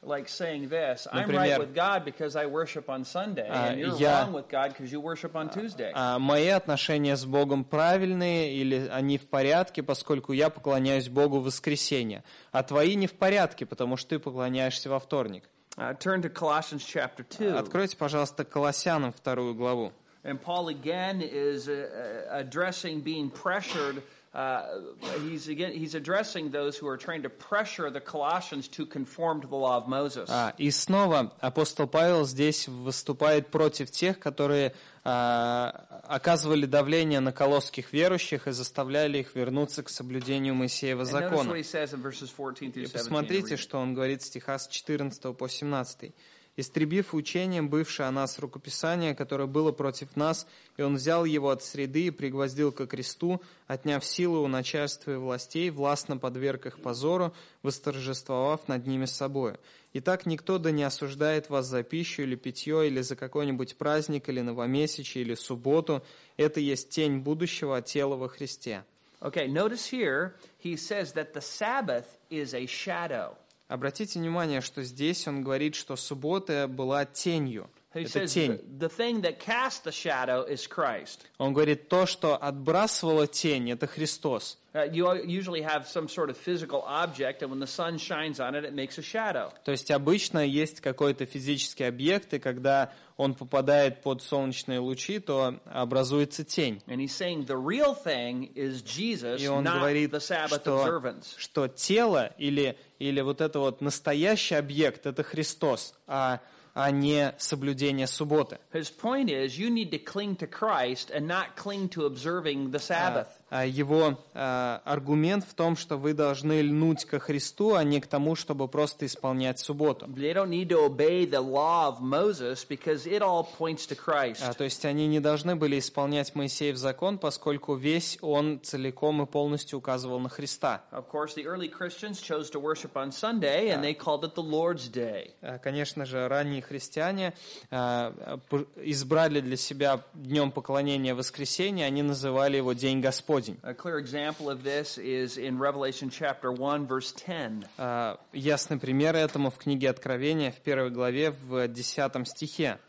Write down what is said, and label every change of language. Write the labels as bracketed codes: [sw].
[en] Like saying this, [ru] например, [en] I'm right with God because I worship on Sunday, and you're wrong with God because you worship on Tuesday. [ru] Мои отношения с Богом правильные, или они в порядке, поскольку я поклоняюсь Богу в воскресенье, а твои не в порядке, потому что ты поклоняешься во вторник. [en] Turn to Colossians chapter 2. [ru] Откройте, пожалуйста, Колоссянам вторую главу. [en] And Paul again is addressing being pressured. He's addressing those who are trying to pressure the Colossians to conform to the law of Moses. [ru] И снова апостол Павел здесь выступает против тех, которые оказывали давление на колосских верующих и заставляли их вернуться к соблюдению Моисеева закона. [en] And notice what he says in verses 14 through 17. [ru] И посмотрите, что он говорит в стихах с 14 по 17. «Истребив учением бывшее о нас рукописание, которое было против нас, и он взял его от среды и пригвоздил ко кресту, отняв силу у начальства и властей, властно подверг их позору, восторжествовав над ними собою. Итак, никто да не осуждает вас за пищу или питье, или за какой-нибудь праздник, или новомесячие, или субботу. Это есть тень будущего от тела во Христе». [en] Okay, notice here, he says that the Sabbath is a shadow. [ru] Обратите внимание, что здесь он говорит, что суббота была тенью. Это тень. [en] The thing that cast the shadow is Christ. [ru] Он говорит, то, что отбрасывало тень, это Христос. [en] You usually have some sort of physical object, and when the sun shines on it, it makes a shadow. [ru] То есть обычно есть какой-то физический объект, и когда он попадает под солнечные лучи, то образуется тень. [en] And he's saying the real thing is Jesus, not the Sabbath observance. [ru] Что тело или вот это вот настоящий объект, это Христос, а а не соблюдение субботы. [en] His point is, you need to cling to Christ and not cling to observing the Sabbath. [ru] Его аргумент в том, что вы должны льнуть ко Христу, а не к тому, чтобы просто исполнять субботу. [en] They don't need to obey the law of Moses because it all points to Christ. [ru] То есть они не должны были исполнять Моисеев закон, поскольку весь он целиком и полностью указывал на Христа. [en] Of course, the early Christians chose to worship on Sunday, and they called it the Lord's Day. [ru] Конечно же, ранние христиане избрали для себя днем поклонения воскресенье, они называли его День Господень. [en] A clear example of this is in Revelation chapter 1, verse 10. [ru] Ясный пример этому в книге Откровения, в первой главе, в 10 стихе.